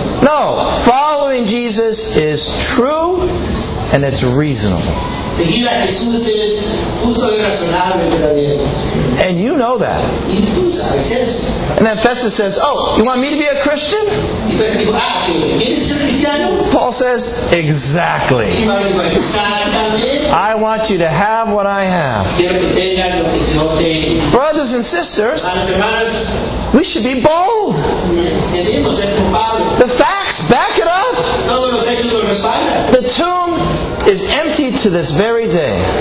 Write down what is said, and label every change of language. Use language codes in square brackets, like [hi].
[en] No, following Jesus is true and it's reasonable. [es] Seguir a Jesús es justo y razonable y verdadero. [en] And you know that. [es] Y tú sabes eso. [en] And then Festus says, oh, you want me to be a Christian? [es] Y Festus dijo, ah, ¿qué? ¿Quieres ser cristiano? [en] Paul says, exactly. I want you to have what I have. [es] Quiero que tengas lo que yo tengo. [en] Brothers and sisters, [es] hermanos, [en] we should be bold. [es] Debemos ser culpables. [en] The facts back it up. [es] Todos los hechos lo respaldan. [en] The tomb is empty to this very day.